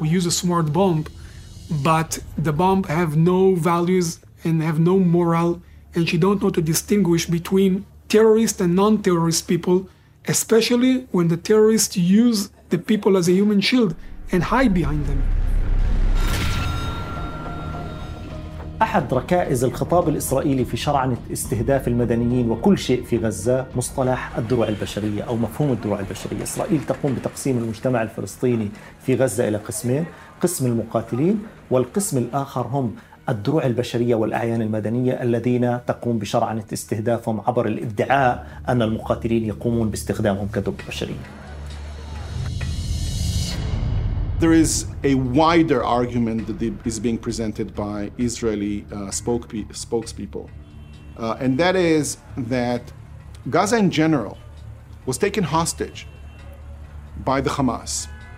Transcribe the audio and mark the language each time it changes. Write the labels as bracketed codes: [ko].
[en] We use a smart bomb, but the bomb have no values and have no moral, and she don't know to distinguish between terrorist and non-terrorist people, especially when the terrorists use the people as a human shield and hide behind them. [ar] أحد ركائز الخطاب الإسرائيلي في شرعنة استهداف المدنيين وكل شيء في غزة مصطلح الدروع البشرية أو مفهوم الدروع البشرية. إسرائيل تقوم بتقسيم المجتمع الفلسطيني في غزة إلى قسمين، قسم المقاتلين والقسم الآخر هم الدروع البشرية والأعيان المدنية الذين تقوم بشرعنة استهدافهم عبر الإدعاء أن المقاتلين يقومون باستخدامهم كدروع بشرية. [en] There is a wider argument that is being presented by Israeli spokespeople. And that is that Gaza in general was taken hostage by the Hamas.